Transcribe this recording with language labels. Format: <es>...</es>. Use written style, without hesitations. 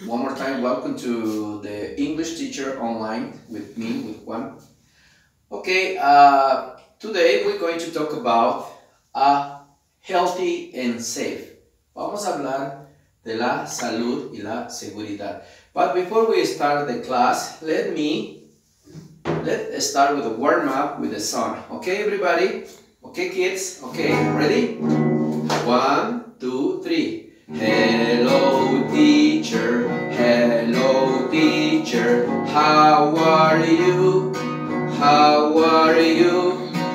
<en>One more time, welcome to the English Teacher Online with me, with Juan. Okay, today we're going to talk about healthy and safe.</en> <es>Vamos a hablar de la salud y la seguridad.</es> <en>But before we start the class, let's start with a warm up with a song. Okay, everybody? Okay, kids? Okay, ready? 1, 2, 3. Hello teacher, hello teacher, how are you, how are you?</en>